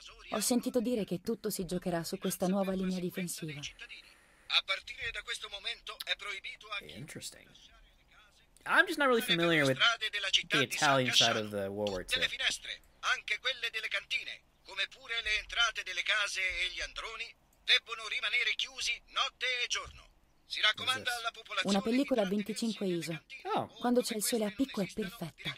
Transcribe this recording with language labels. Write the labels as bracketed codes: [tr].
[it] Ho sentito dire che tutto si giocherà su questa nuova linea difensiva. A partire da questo momento è proibito a chi. [en] Interesting. I'm just not really familiar with the Italian side of the World War II. [it] Anche quelle delle cantine, come pure le entrate delle case e gli androni, debbono rimanere chiusi notte e giorno. Si raccomanda alla popolazione. Una pellicola a 25 ISO. Oh. Quando c'è il sole a picco è perfetta.